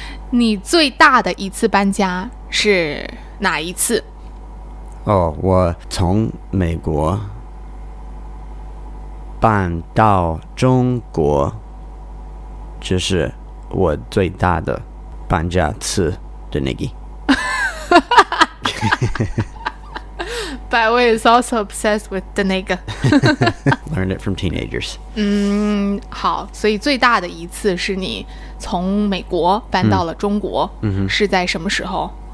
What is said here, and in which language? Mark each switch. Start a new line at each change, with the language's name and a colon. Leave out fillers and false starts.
Chinese: 你最大的一次搬家, 是哪一次? 我从美国, 搬到中国, 这是我最大的搬家次的那个。
English: By the way, is also obsessed with the 那个。 Learned it from teenagers.
Chinese: 好, 所以最大的一次是你从美国搬到了中国, 是在什么时候?